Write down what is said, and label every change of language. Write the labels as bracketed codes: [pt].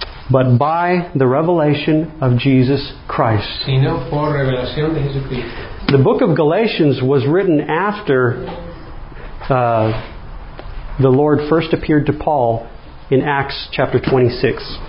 [en] But by the revelation of Jesus Christ. [es] Sino por revelación de Jesucristo. [en] The book of Galatians was written after the Lord first appeared to Paul in Acts chapter 26.